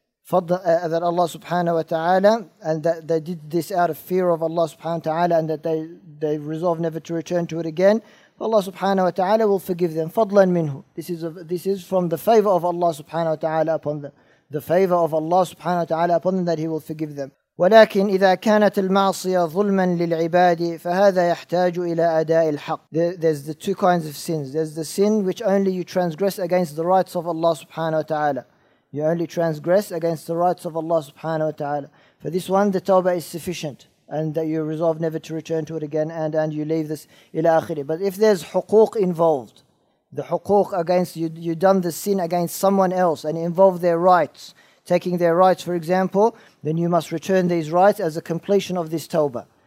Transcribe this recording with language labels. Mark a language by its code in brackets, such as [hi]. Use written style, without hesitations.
[en] That Allah subhanahu wa ta'ala, and that they did this out of fear of Allah subhanahu wa ta'ala, and that they resolve never to return to it again, Allah subhanahu wa ta'ala will forgive them. [ar] Fadlan minhu. [en] This is from the favor of Allah subhanahu wa ta'ala upon them. The favor of Allah subhanahu wa ta'ala upon them that He will forgive them. [ar] ولكن إذا كانت المعصية ظلما للعباد فهذا يحتاج إلى أداء الحق. [en] There's the two kinds of sins. There's the sin which only you transgress against the rights of Allah subhanahu wa ta'ala. You only transgress against the rights of Allah subhanahu wa ta'ala. For this one, the tawbah is sufficient, and that you resolve never to return to it again, and you leave this ila akhiri. But if there's huquq involved, the huquq against you've done the sin against someone else and involve their rights, taking their rights for example, then you must return these rights as a completion of this tawbah.